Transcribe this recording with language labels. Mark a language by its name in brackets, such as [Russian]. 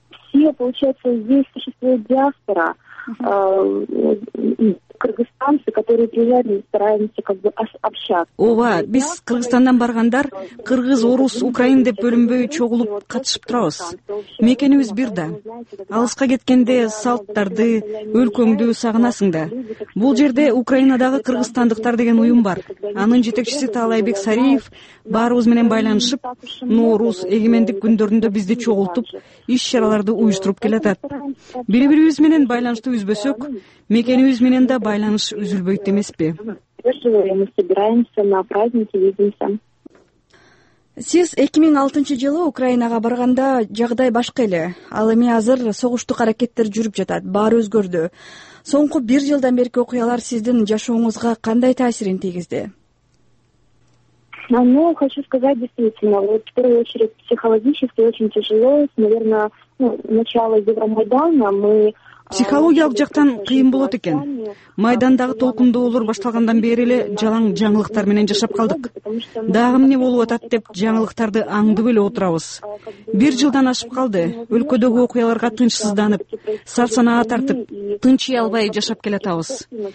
[Russian] Все, получается, здесь существует диаспора, кыргызстанцы, которые приезжают, мы стараемся как бы общаться. [Kyrgyz] Ова, биз Кыргызстандан баргандар, кыргыз, орус, украин деп бөлүнбөй чогулуп катышып турабыз. Мекенибиз бир да. Алыска кеткенде салттарды, өлкөңдү сагынасың да. Бул жерде Украинадагы кыргызстандыктар деген уюм бар. Анын жетекчиси Таалайбек Сариев баарыбыз менен байланышып, Нооруз, эгемендик күндөрүндө бизди чогултуп, иш чараларды уюштуруп келатат. Бири бирибиз менен байланышты үзбөсөк, мекенибиз менен да байланыш үзүлбөйт эмеспи? [Russian] Мы собираемся на праздники, видимся. [Kyrgyz] Сиз 2006 жылы Украинага барганда жагдай башка эле. Ал эми азыр согуштук аракеттер жүрүп жатат, баары өзгөрдү. Соңку бир жылдан берки окуялар сиздин жашооңузга кандай таасирин тийгизди? [Russian] Ну, хочу сказать, действительно, вот в первую очередь психологически очень тяжело, наверное, начало Евромайдана мы... [Kyrgyz] Психологиялык жактан кыйын болот экен. Майдандагы толкундоолор башталгандан бери эле жалаң жаңылыктар менен жашап калдык. Дагы эмне болуп атат деп жаңылыктарды аңдып эле отурабыз. Бир жылдан ашып калды. Өлкөдөгү окуяларга тынчсызданып, сарсанага тартып, тынч уя албай жашап келатабыз.